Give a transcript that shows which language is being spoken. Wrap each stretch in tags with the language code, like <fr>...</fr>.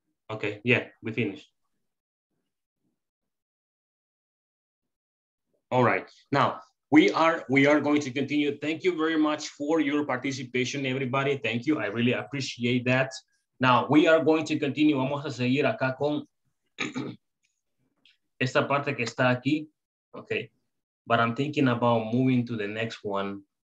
<en>Okay, yeah, we finished. All right, now. We are going to continue. Thank you very much for your participation, everybody. Thank you. I really appreciate that. Now, we are going to continue.</en> <es>Vamos a seguir acá con esta parte que está aquí.</es> <en>Okay. But I'm thinking about moving to the next one.</en>